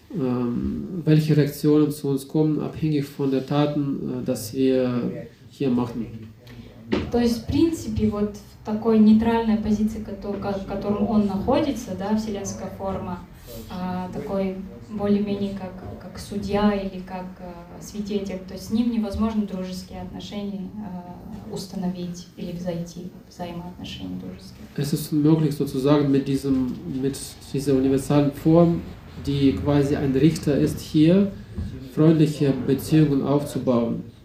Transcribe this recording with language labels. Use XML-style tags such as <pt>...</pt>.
<de>Welche Reaktionen zu uns kommen, abhängig von der Taten, dass wir hier machen?</de> <ru>То есть, в принципе, вот в такой нейтральной позиции, в котором он находится, да, вселенская форма, такой более-менее как судья или как свидетель, то есть с ним невозможно дружеские отношения установить или взойти в взаимоотношения дружеские.</ru> <de>Es ist unmöglich sozusagen mit dieser universalen Form, die quasi ein Richter ist hier, freundliche Beziehungen aufzubauen.</de>